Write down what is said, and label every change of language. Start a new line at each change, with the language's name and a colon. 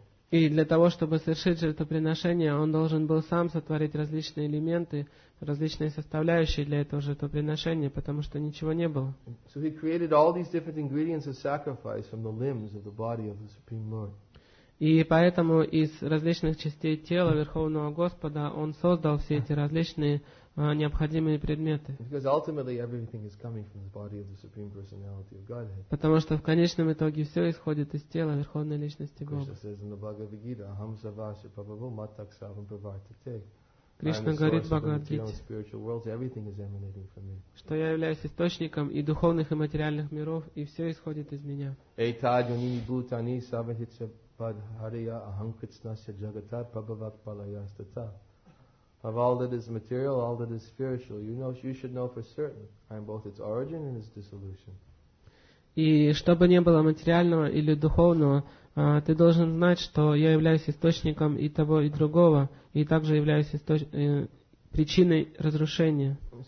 Russian: И для того, чтобы совершить жертвоприношение, он должен был сам сотворить различные элементы, различные составляющие для этого жертвоприношения, потому что ничего не было.
English: So he created all these different ingredients of sacrifice from the limbs of the body of the Supreme Lord.
Russian: И поэтому из различных частей тела Верховного Господа он создал все эти различные необходимые предметы.
English: Because ultimately everything is coming from the body of the Supreme Personality of Godhead.
Russian: Потому что в конечном итоге все исходит из тела Верховной Личности Бога.
English: Krishna says in the Bhagavad Gita,
Sanskrit: "Aham savasya prabhu matak savam pravartate."
Russian: Кришна говорит в Бхагавад-гите, что я являюсь источником и духовных, и материальных миров, и все исходит из меня.
Sanskrit: Этаджунини бутани савахича падхария ахам кришнасья джагатат прабхават палаястата.
English: Of all that is material, all that is spiritual, you should know for certain, I am both its origin and its dissolution.
Russian: И что бы ни было материального или духовного, ты должен знать, что я являюсь источником и того, и другого, и также являюсь причиной разрушения.